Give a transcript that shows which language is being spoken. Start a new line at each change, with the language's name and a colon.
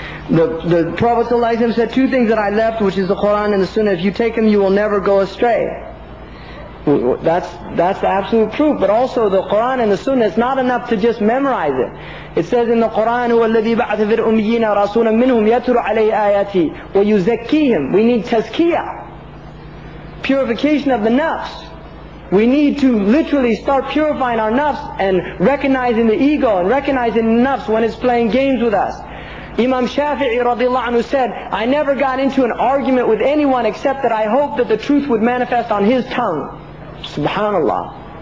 English: The Prophet ﷺ said two things that I left, which is the Quran and the Sunnah. If you take them, you will never go astray. That's the absolute proof. But also the Quran and the Sunnah, it's not enough to just memorize it. It says in the Quran,
Arabic: هو الذي بعث في الأميين رسولا منهم يتلو عليه آياتي ويزكيهم.
English: We need tazkiya, purification of the nafs. We need to literally start purifying our nafs and recognizing the ego and recognizing the nafs when it's playing games with us. Imam Shafi'i radiallahu anhu said, I never got into an argument with anyone except that I hoped that the truth would manifest on his tongue. Subhanallah.